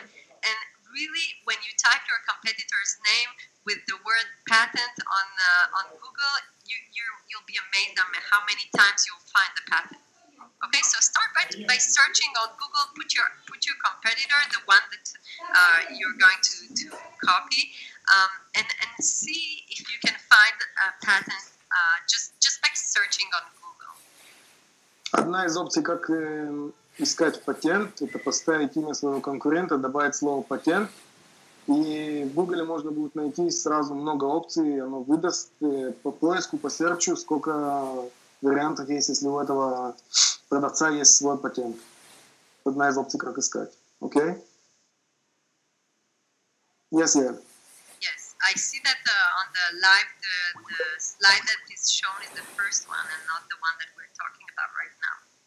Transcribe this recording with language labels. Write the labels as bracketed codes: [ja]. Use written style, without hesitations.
[en] And really, when you type your competitor's name with the word patent on Google, you'll be amazed at how many times you'll find the patent. Okay, so start by searching on Google. Put your competitor, the one that you're going to copy, and see if you can find a patent just by searching on Google. [ru] Одна из опций, как искать патент, это поставить имя своего конкурента, добавить слово патент, и в Google можно будет найти сразу много опций, оно выдаст по поиску, по серчу, сколько вариантов есть, если у этого продавца есть свой патент. Одна из опций, как искать. Окей? [en] Okay? Yes, yeah. Yes, I see that on the live, the slide that is shown is the first one and not the one that we're talking about right now.